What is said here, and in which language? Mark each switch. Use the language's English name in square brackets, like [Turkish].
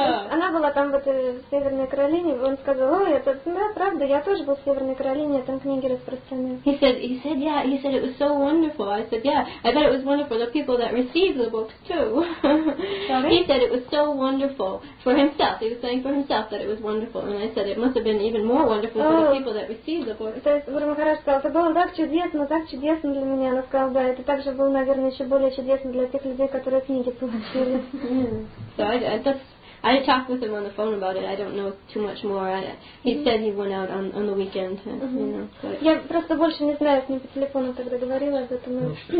[Russian] Она была там в этой Северной Каролине. Он сказал, ой, это да, правда, я тоже был в Северной Каролине, там книги распространены. [English] He said it was so wonderful. I said, yeah, I bet it was wonderful for the people that received the books too. He said it was so wonderful for himself. He was saying for himself that it was wonderful, and I said it must have been even more wonderful for the people that received the books. [Russian] То есть Гуру Махарадж сказал, это было так чудесно для меня. Она сказала, да, это также было, наверное, еще более чудесно для тех людей, которые книги получили. [English] I talked with him on the phone about it. I don't know too much more. He said he went out on the weekend. Mm-hmm. You know. [Russian] Я просто больше не знаю, с ним по телефону тогда говорила об этом.